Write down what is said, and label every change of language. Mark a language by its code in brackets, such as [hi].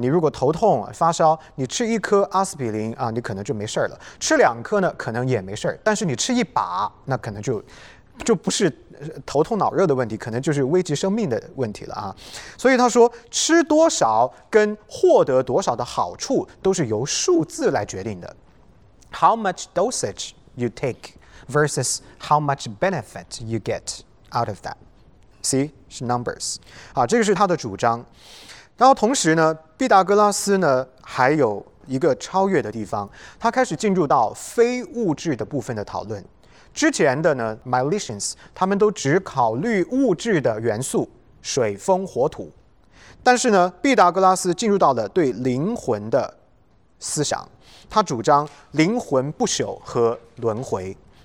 [zh] 你如果头痛发烧，你吃一颗阿司匹林啊，你可能就没事了；吃两颗呢，可能也没事，但是你吃一把，那可能就不是头痛脑热的问题，可能就是危及生命的问题了啊。所以他说，吃多少跟获得多少的好处都是由数字来决定的。 [en] How much dosage you take versus how much benefit you get out of that. [zh] See, 是 numbers 啊，这个是他的主张。然后同时呢，毕达哥拉斯呢还有一个超越的地方，他开始进入到非物质的部分的讨论。之前的呢 Milesians 他们都只考虑物质的元素，水风火土，但是呢，毕达哥拉斯进入到了对灵魂的思想，他主张灵魂不朽和轮回。